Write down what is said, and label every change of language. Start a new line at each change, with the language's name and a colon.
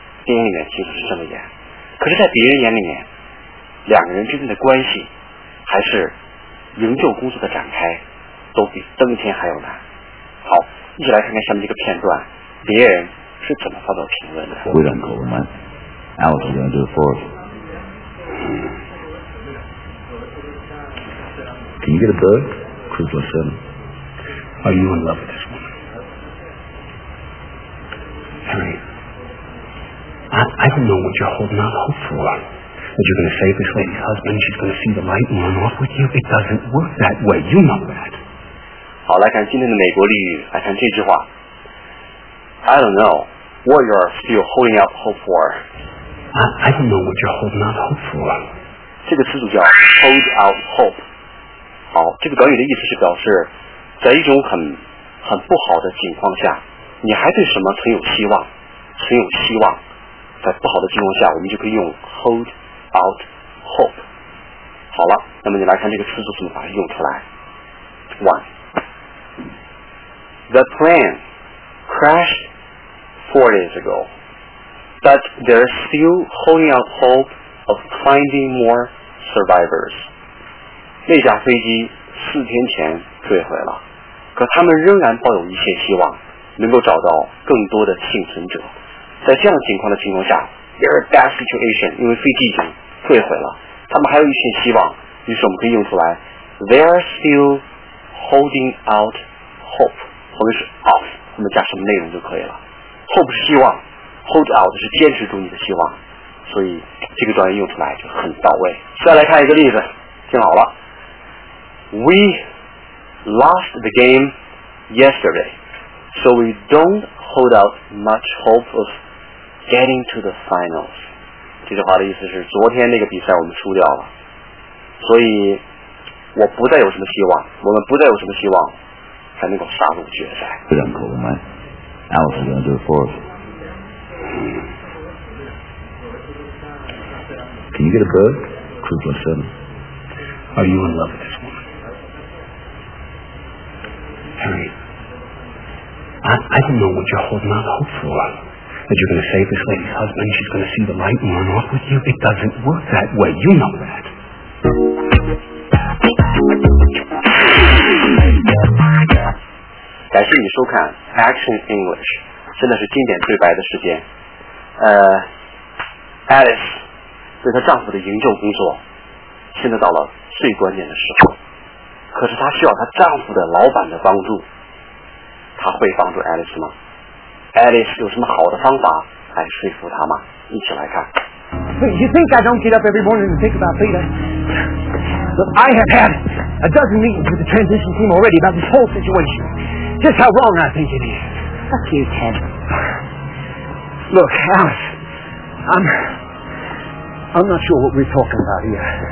Chinese: 电影里面其实是这么演，可是在别人眼里面，两个人之间的关系还是营救工作的展开都比登天还要难。好，一起来看看下面这个片段，别人是怎么发表评论的。
English: Wait on call, man. Alex is going to do it for us. Can you get a bird? Cruz was seven. Are you in love with this woman? Harry, I don't know what you're holding out hope for. That you're going to save this lady's husband, she's going to see the light and run off with you. It doesn't work that way. You know that.
Chinese: 好，来看今天的美国俚语，来看这句话。
English: I don't know what you're still holding out hope for. I don't know what you're holding out hope for.
Chinese: 这个词组叫 hold out hope. 好，这个短语的意思是表示在一种很不好的情况下，你还对什么存有希望，存有希望。在不好的情况下，我们就可以用 hold out hope. 好了，那么你来看这个词组怎么把它用出来。
English: One, the plan crashed 4 days ago, but they're still holding out hope of finding more survivors.
Chinese: 那架飞机4天前坠毁了，可他们仍然抱有一些希望，能够找到更多的幸存者。在这样情况的情况下
English: they're a bad situation,
Chinese: 因为飞机已经坠毁了，他们还有一些希望，于是我们可以用出来
English: they're still holding out hope,
Chinese: 后面是 of,我们加什么内容就可以了。 Hope 是希望 ，hold out 是坚持住你的希望，所以这个短语用出来就很到位。再来看一个例子，听好了
English: ，We lost the game yesterday, so we don't hold out much hope of getting to the finals。
Chinese: 这句话的意思是，昨天那个比赛我们输掉了，所以我不再有什么希望，我们不再有什么希望。才能够杀入决赛。
English: Wait on call, man. Alex is going to do it for us. Can you get a bird? Cruz was seven. Are you in love with this woman? Harry, I don't know what you're holding out hope for. That you're going to save this lady's husband, she's going to see the light and run off with you. It doesn't work that way. You know that.
Chinese: 感谢你收看 Action English, 真的是经典对白的时间。 Alice 对她丈夫的营救工作现在到了最关键的时候，可是她需要她丈夫的老板的帮助，她会帮助 Alice 吗？ Alice 有什么好的方法来说服她吗？一起来看。
English: You think I don't get up every morning and think about Peter? Look, I have had a dozen meetings with the transition team already about this whole situation. Just how wrong I think it is. Fuck you, Ted. Look, Alice, I'm not sure what we're talking about here.